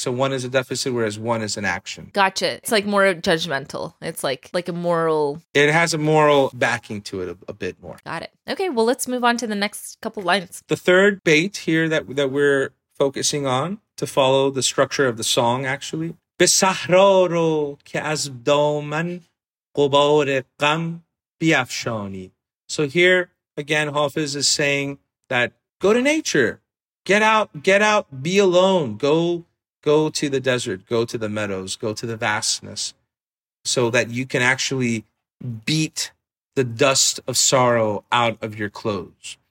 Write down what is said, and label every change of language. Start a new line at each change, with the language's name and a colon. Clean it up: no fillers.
English: So one is a deficit, whereas one is an action. Gotcha. It's like more judgmental. It's like a moral... It has a moral backing to it a bit more. Got it. Okay, well, let's move on to the next couple lines. The third bait here that we're focusing on to follow the structure of the song, actually.
Persian: به صحرا رو که از دامن غبار غم بیفشانی.
English: So here, again, Hafiz is saying that go to nature. Get out, be alone. Go to the desert, go to the meadows, go to the vastness so that you can actually beat the dust of sorrow out of your clothes.